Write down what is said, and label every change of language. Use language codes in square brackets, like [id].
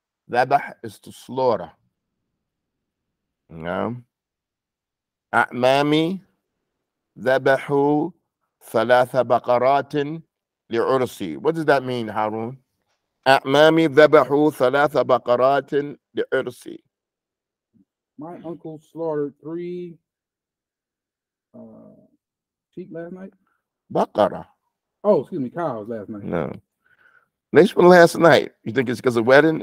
[en] ذبح is to slaughter. No. [ar] أعمامي ذبحوا ثلاث بقرات لعرسي. [en] What does that mean, Harun? [ar] أعمامي ذبحوا ثلاث بقرات لعرسي. [en] My uncle slaughtered three sheep last night. Bakara. Oh, excuse me, cows last night. No. Next one last night. You think it's because of wedding?